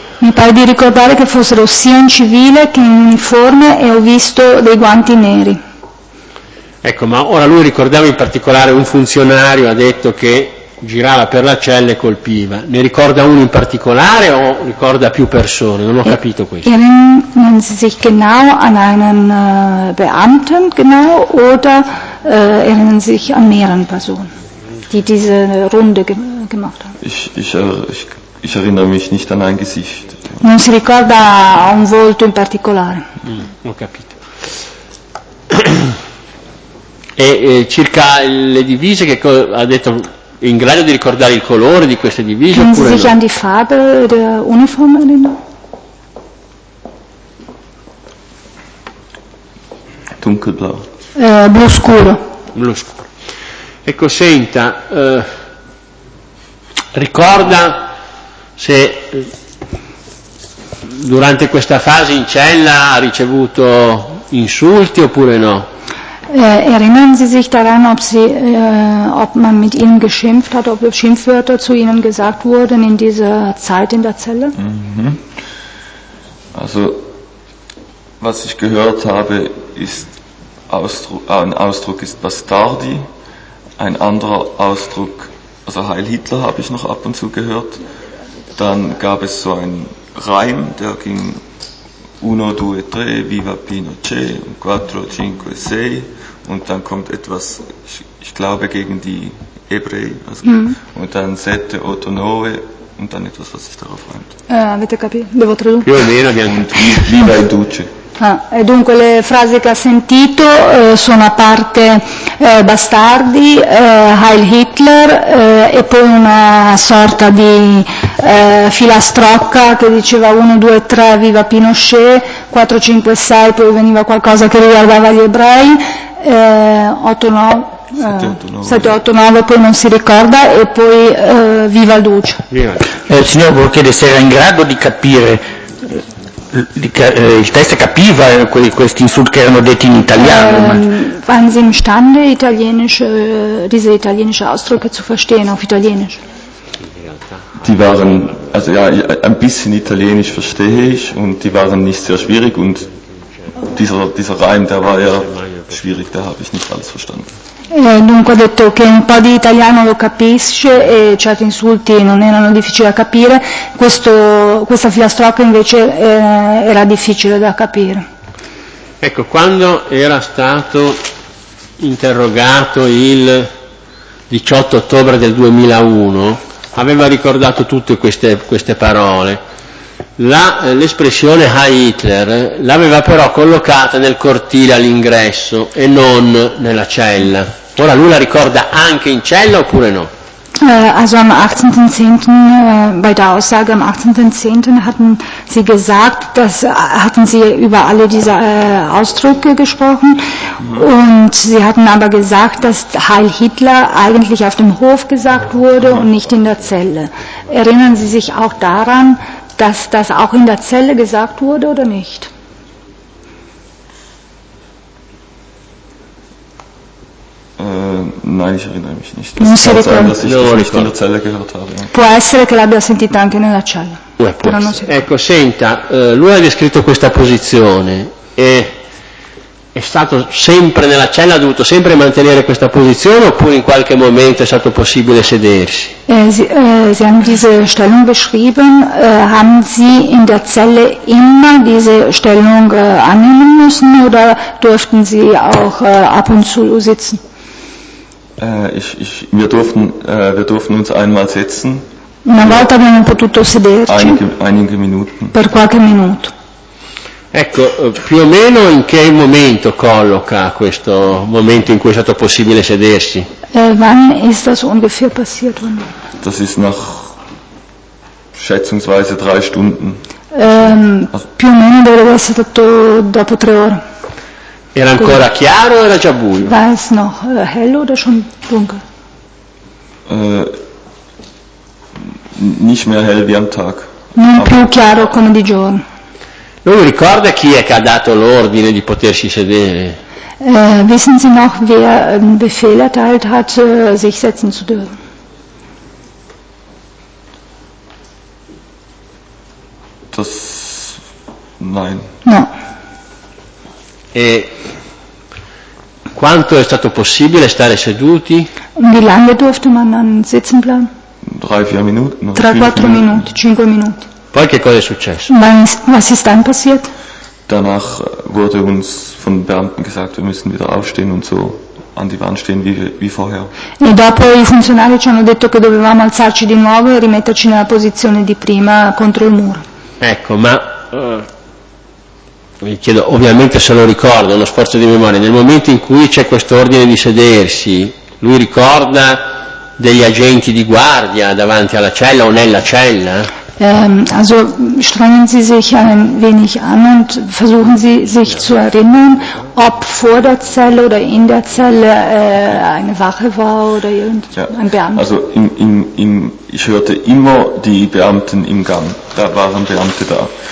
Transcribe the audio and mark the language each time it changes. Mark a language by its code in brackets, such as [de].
[it] Mi pare di ricordare che fossero sia in civile che in uniforme e ho visto dei guanti neri. Ecco, ma ora lui ricordava in particolare un funzionario, ha detto che girava per la cella e colpiva. Ne ricorda uno in particolare o ricorda più persone? Non ho capito questo. [de] Erinnern Sie sich genau an einen Beamten genau oder erinnern Sie sich an mehreren Personen, die diese Runde gemacht haben? Ich erinnere mich nicht an ein Gesicht. [it] Non si ricorda a un volto in particolare. Ho capito. E circa le divise, che ha detto, in grado di ricordare il colore di queste divise? [de] Kennen [it] oppure [de] Sie sich [it] no? [de] An die Farbe der Uniform erinnern? Dunkelblau. [it] Blu scuro. Blu scuro. Ecco, senta, ricorda se durante questa fase in cella ha ricevuto insulti oppure no? [de] Erinnern Sie sich daran, ob man mit Ihnen geschimpft hat, ob Schimpfwörter zu Ihnen gesagt wurden in dieser Zeit in der Zelle? Also, was ich gehört habe, ist ein Ausdruck ist Bastardi, ein anderer Ausdruck, also Heil Hitler habe ich noch ab und zu gehört. Dann gab es so einen Reim, der ging 1, 2, 3, [it] viva Pinochet, [de] 4, 5, 6 und dann kommt etwas, ich glaube gegen die Ebrei, also, und dann 7, 8, 9 und dann etwas, was sich darauf reimt. [it] Avete capito? Devo tradurre? Più o meno abbiamo viva il Duce. Ah, e dunque le frasi che ha sentito sono a parte Bastardi, [de] Heil Hitler [it] e poi una sorta di filastrocca che diceva 1, 2, 3, viva Pinochet, 4, 5, 6, poi veniva qualcosa che riguardava gli ebrei, 7, 8, 9, poi non si ricorda e poi viva il Duce. Signor, vuol chiedere se era in grado di capire... il testo capiva questi insulti che erano detti in italiano. [de] Waren Sie imstande, diese italienische Ausdrücke zu verstehen auf italienisch? Die waren, also ja, ein bisschen italienisch verstehe ich und die waren nicht sehr schwierig und dieser Reim, der war ja schwierig, da habe ich nicht alles verstanden. [it] Dunque ha detto che un po' di italiano lo capisce e certi insulti non erano difficili da capire, questa filastrocca invece era difficile da capire. Ecco, quando era stato interrogato il 18 ottobre del 2001, aveva ricordato tutte queste parole. L'espressione [de] Heil Hitler [it] l'aveva però collocata nel cortile all'ingresso e non nella cella. Ora lui la ricorda anche in cella oppure no? [de] Also am 18.10. Bei der Aussage am 18.10. hatten Sie gesagt, dass hatten Sie über alle diese Ausdrücke gesprochen und Sie hatten aber gesagt, dass Heil Hitler eigentlich auf dem Hof gesagt wurde und nicht in der Zelle. Erinnern Sie sich auch daran, dass das auch in der Zelle gesagt wurde oder nicht? Nein, ich erinnere mich nicht. Das kann sein, dass ich das nicht in der Zelle gehört habe. [it] Può essere che l'abbia sentita anche nella cella. Ecco, senta, lui ha descritto questa posizione e è stato sempre nella cella, ha dovuto sempre mantenere questa posizione oppure in qualche momento è stato possibile sedersi? [de] Sie haben diese Stellung beschrieben. Haben Sie in der Zelle immer diese Stellung annehmen müssen oder durften Sie auch ab und zu sitzen? Wir durften uns einmal setzen. [it] Una volta abbiamo potuto sederci. [de] Einige Minuten. [it] Per qualche minuto. Ecco, più o meno in che momento colloca questo momento in cui è stato possibile sedersi? [de] Wann ist das ungefähr passiert? Das ist nach schätzungsweise 3 Stunden. [it] Più o meno dovrebbe essere stato dopo 3 ore. Era ancora chiaro o era già buio? [de] War es noch hell oder schon dunkel? Nicht mehr hell wie am Tag. [it] Non più chiaro come di giorno. Lui ricorda chi è che ha dato l'ordine di potersi sedere? [de] Wissen Sie noch, wer den Befehl erteilt hat, sich setzen zu dürfen? Das. Nein. [it] No. E quanto è stato possibile stare seduti? [de] Wie lange durfte man dann sitzen bleiben? [it] 3-4 minuti. 3-4 minuti, 5 minuti. Poi che cosa è successo? [de] Was ist dann passiert? Danach wurde uns von Beamten gesagt, wir müssen wieder aufstehen und so an die Wand stehen wie vorher. [it] E dopo i funzionari ci hanno detto che dovevamo alzarci di nuovo e rimetterci nella posizione di prima contro il muro. Ecco, ma vi chiedo, ovviamente se lo ricordo, uno sforzo di memoria, nel momento in cui c'è questo ordine di sedersi, lui ricorda degli agenti di guardia davanti alla cella o nella cella? [de] Also strengen Sie sich ein wenig an und versuchen Sie sich zu erinnern, ob vor der Zelle oder in der Zelle eine Wache war oder irgendein Beamter. Also ich hörte immer die Beamten im Gang, da waren Beamte da.